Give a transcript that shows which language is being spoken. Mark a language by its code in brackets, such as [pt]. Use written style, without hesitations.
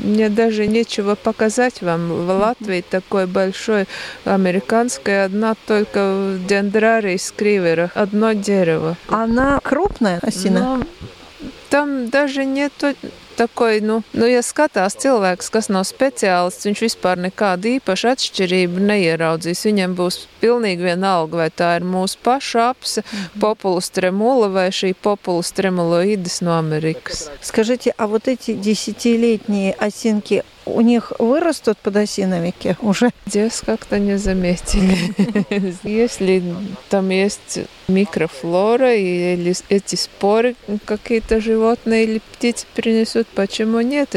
[ru] Мне даже нечего показать вам. В Латвии такой большой американская одна только дендрарий скривера, одно дерево. Она крупная осина? Но там даже нету такой, ну я скатас человек, кто не специалист, он вообще никакой [lv] īpaši atšķirību [ru] не [lv] ieraudzīs. Viņam būs pilnīgi vienalga, vai tā ir mūsu paša apse, populus tremula, vai šī populus tremuloides no Amerikas. [ru] Скажите, а вот эти десятилетние осинки, у них вырастут подосиновики уже? Здесь как-то не заметили. Если там есть микрофлора, или эти споры какие-то животные или птицы принесут, почему нет?